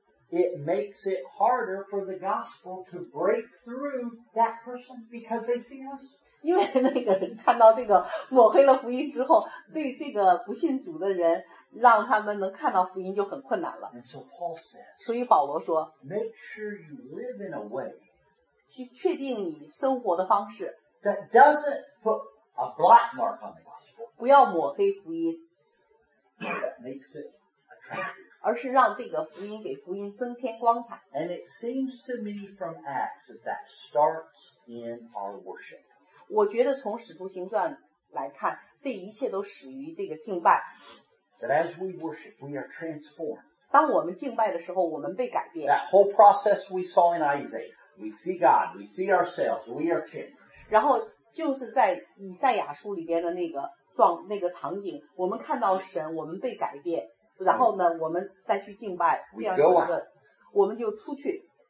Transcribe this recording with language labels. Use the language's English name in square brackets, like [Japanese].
[English] It makes it harder for the gospel to break through that person because they see us. [Chinese] 因为那个人看到这个抹黑了福音之后，对这个不信主的人，让他们能看到福音就很困难了。 [English] And so Paul said. [Chinese] 所以保罗说 [English] ，Make sure you live in a way. [Chinese] 去确定你生活的方式。 [English] That doesn't put a black mark on the gospel. [Chinese] 不要抹黑福音。 [English] That makes it attractive. [Chinese] 而是让这个福音给福音增添光彩。 [English] And it seems to me from Acts that that starts in our worship. [Chinese] 我觉得从使徒行传来看，这一切都始于这个敬拜。 [English] That as we worship, we are transformed. [Chinese] 当我们敬拜的时候，我们被改变。 [English] That whole process we saw in Isaiah, we see God, we see ourselves, we are changed. [Chinese] 然后就是在以赛亚书里边的那个场景，我们看到神，我们被改变。然后呢，我们再去敬拜，这样一个，我们就出去。